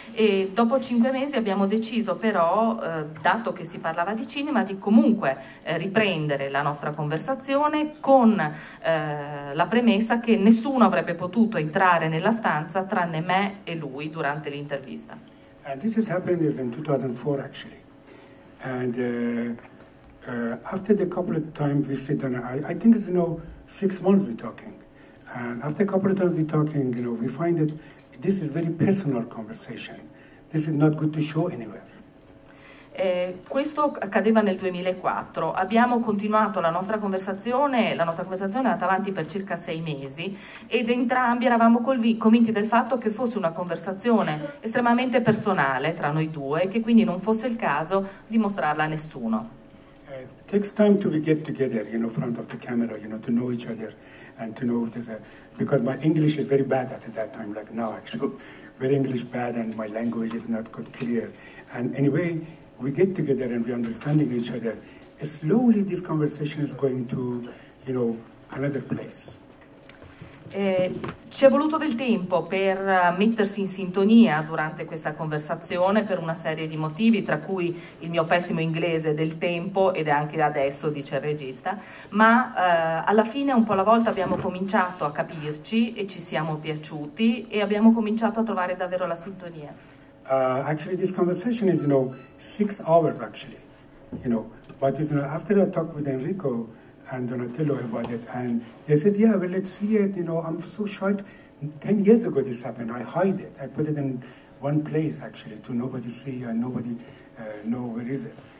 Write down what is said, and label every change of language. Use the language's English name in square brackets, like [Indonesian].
[Italian] E dopo 5 mesi abbiamo deciso però, dato che si parlava di cinema, di comunque, riprendere la nostra conversazione con, la premessa che nessuno avrebbe potuto entrare nella stanza tranne me e lui durante l'intervista. [English] And this has happened is in 2004, actually. And after the couple of times we sit down, I think it's, you know, 6 months we're talking. And after a couple of times we're talking, you know, we find that this is very personal conversation. This is not good to show anywhere. [Italian] Questo accadeva nel 2004. Abbiamo continuato la nostra conversazione è andata avanti per circa 6 mesi ed entrambi eravamo convinti del fatto che fosse una conversazione estremamente personale tra noi due e che quindi non fosse il caso di mostrarla a nessuno. [English] Takes time to get together, you know, front of the camera, you know, to know each other and to know this, because my English is very bad at that time, like now actually, very English bad and my language is not good clear. And anyway, we get together and we understanding each other. Slowly this conversation is going to, you know, another place. [Italian] Ci è voluto del tempo per mettersi in sintonia durante questa conversazione per una serie di motivi, tra cui il mio pessimo inglese del tempo ed anche adesso, dice il regista, ma alla fine un po' alla volta abbiamo cominciato a capirci e ci siamo piaciuti e abbiamo cominciato a trovare davvero la sintonia. Actually this conversation is, you know, 6 hours actually, you know, but you know, after I talk with Enrico and Donatello about it, and they said, yeah, well, let's see it, you know, I'm so shy. 10 years ago this happened, I hide it. I put it in one place, actually, to nobody see and nobody know where is it.